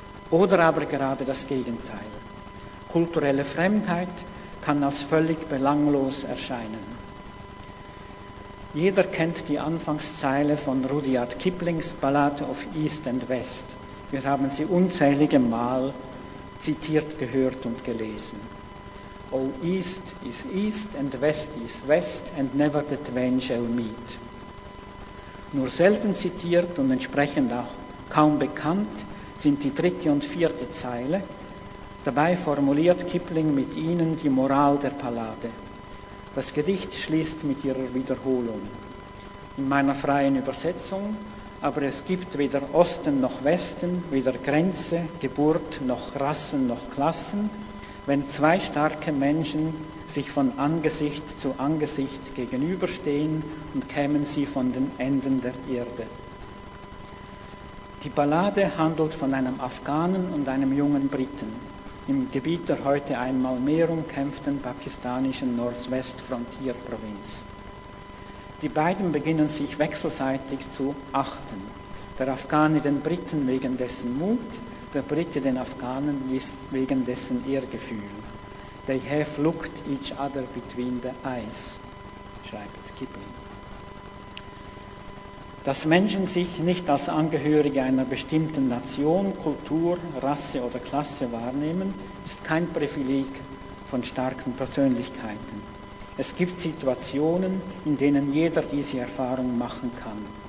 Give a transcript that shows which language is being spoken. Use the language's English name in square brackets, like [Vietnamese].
[German] Oder aber gerade das Gegenteil. Kulturelle Fremdheit kann als völlig belanglos erscheinen. Jeder kennt die Anfangszeile von Rudyard Kiplings Ballade of East and West. Wir haben sie unzählige Mal zitiert gehört und gelesen. [English] O East is East and West is West and never the twain shall meet. [German] Nur selten zitiert und entsprechend auch kaum bekannt sind die dritte und vierte Zeile. Dabei formuliert Kipling mit ihnen die Moral der Ballade. Das Gedicht schließt mit ihrer Wiederholung. In meiner freien Übersetzung: aber es gibt weder Osten noch Westen, weder Grenze, Geburt, noch Rassen, noch Klassen, wenn zwei starke Menschen sich von Angesicht zu Angesicht gegenüberstehen und kämen sie von den Enden der Erde. Die Ballade handelt von einem Afghanen und einem jungen Briten. im Gebiet der heute einmal mehr umkämpften pakistanischen Nordwestfrontierprovinz. Die beiden beginnen sich wechselseitig zu achten. Der Afghane den Briten wegen dessen Mut, der Brite den Afghanen wegen dessen Ehrgefühl. [English] They have looked each other between the eyes, [German] schreibt Kipling. Dass Menschen sich nicht als Angehörige einer bestimmten Nation, Kultur, Rasse oder Klasse wahrnehmen, ist kein Privileg von starken Persönlichkeiten. Es gibt Situationen, in denen jeder diese Erfahrung machen kann.